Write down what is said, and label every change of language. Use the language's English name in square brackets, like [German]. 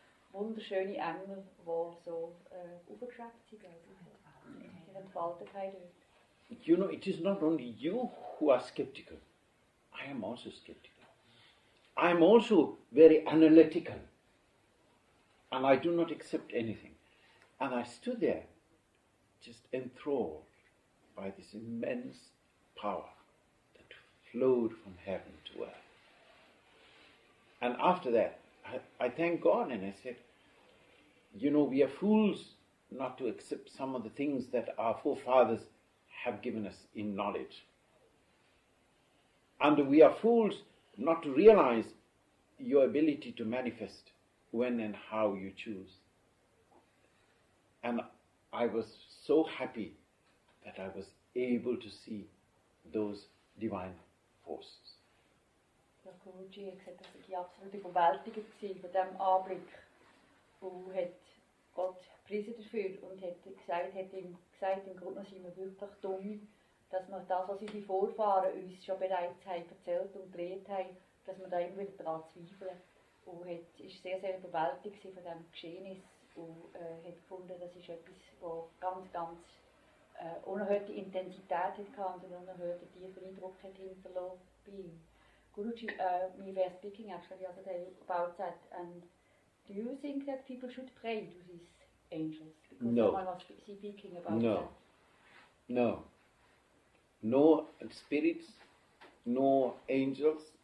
[German] Wunderschöne Engel, die so aufgeschreckt sind, also ihre Entfaltigkeit dort. [English] You know, it is not only you who are skeptical. I am also skeptical. I am also very analytical. And I do not accept anything. And I stood there, just enthralled by this immense power that flowed from heaven to earth. And after that, I thank God and I said, you know, we are fools not to accept some of the things that our forefathers have given us in knowledge. And we are fools not to realize your ability to manifest when and how you choose. And I was so happy that I was able to see those divine forces. [German] Der Guruji hat gesagt, dass ich absolut überwältigend war von diesem Anblick. Und hat Gott gepriesen dafür und hat ihm gesagt, im Grunde sind wir wirklich dumm, dass wir das, was unsere Vorfahren uns schon bereits haben erzählt und gelehrt haben, dass wir da immer wieder daran zweifeln. Und hat, ist sehr, sehr überwältigt von diesem Geschehnis und hat gefunden, das ist etwas, das ganz, ganz unerhörte Intensität hatte und einen unerhörten tiefen Eindruck hat hinterlassen bei ihm. [English] Guruji, we were speaking actually the other day about that, and do you think that people should pray to these angels? Because no. Someone was speaking about no. That. No. No spirits, no angels.